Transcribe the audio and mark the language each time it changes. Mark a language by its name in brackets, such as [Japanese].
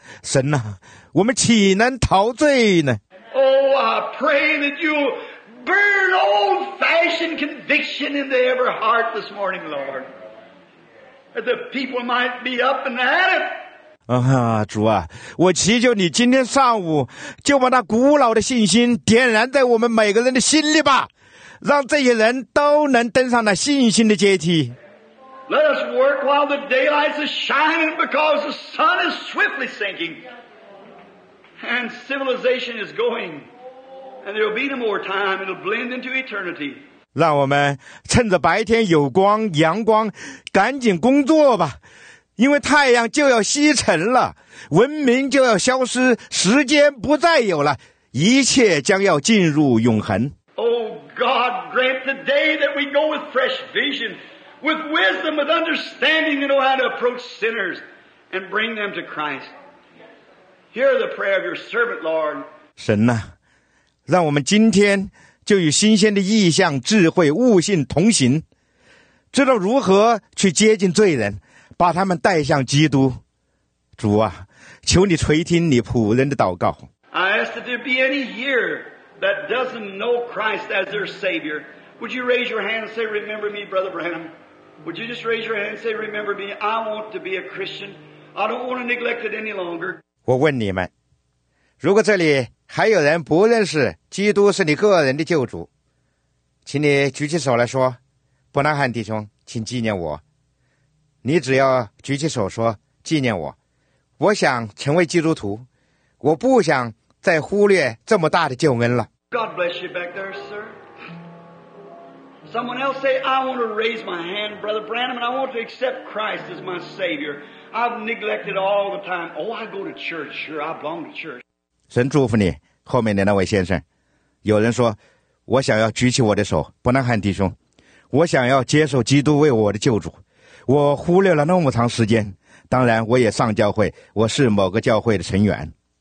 [Chinese] 神啊，我们岂能陶醉呢？ [English] Oh, I pray that you burn old-fashioned conviction into every heart this morning, Lord, that the people might be up and at it. [Chinese] 啊，主啊，我祈求你今天上午就把那古老的信心点燃在我们每个人的心里吧，让这些人都能登上那信心的阶梯。 [English] Let us work while the daylight is shining, because the sun is swiftly sinking and civilization is going, and there will be no more time; it'll blend into eternity. [Chinese] 让我们趁着白天有光、阳光，赶紧工作吧，因为太阳就要西沉了，文明就要消失，时间不再有了，一切将要进入永恒。 [English] Oh God, grant the day that we go with fresh vision. With wisdom, with understanding, you know how to approach sinners and bring them to Christ. Hear the prayer of your servant, Lord. [Chinese] 神啊，让我们今天就与新鲜的意象、智慧、悟性同行，知道如何去接近罪人，把他们带向基督。主啊，求你垂听你仆人的祷告。 [English] I ask that there be any here that doesn't know Christ as their Savior. Would you raise your hand and say, remember me, Brother Branham? Would you just raise your hand and say, remember me? I want to be a Christian. I don't want to neglect it any longer. [Chinese] 我问你们，如果这里还有人不认识基督是你个人的救主，请你举起手来说，伯南汉弟兄，请纪念我。你只要举起手说，纪念我。我想成为基督徒，我不想再忽略这么大的救恩了。 [English] God bless you back there, sir. Someone else say, I want to raise my hand, Brother Branham, and I want to accept Christ as my Savior. I've neglected all the time. Oh, I go to church. Sure, I belong to church. [Chinese] 神祝福你，后面的那位先生。有人说，我想要举起我的手，伯南汉弟兄，我想要接受基督为我的救主。我忽略了那么长时间，当然我也上教会，我是某个教会的成员。